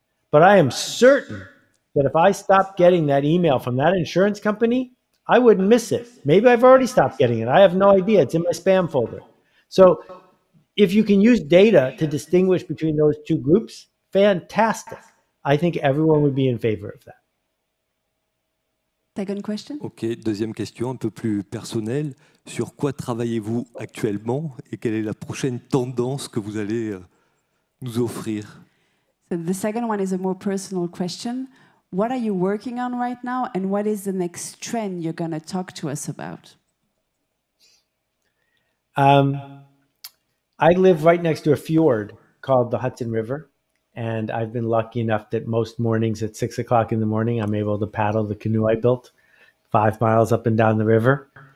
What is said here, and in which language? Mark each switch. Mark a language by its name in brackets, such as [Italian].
[English] But I am certain that if I stopped getting that email from that insurance company, I wouldn't miss it. Maybe I've already stopped getting it. I have no idea. It's in my spam folder. So if you can use data to distinguish between those two groups, fantastic. I think everyone would be in favor of that. Second question. [French] OK, deuxième question, un peu plus personnelle. Sur quoi travaillez-vous actuellement et quelle est la prochaine tendance que vous allez nous offrir? [English] So the second one is a more personal question. What are you working on right now and what is the next trend you're going to talk to us about? I live right next to a fjord called the Hudson River. And I've been lucky enough that most mornings at 6 o'clock in the morning, I'm able to paddle the canoe I built 5 miles up and down the river.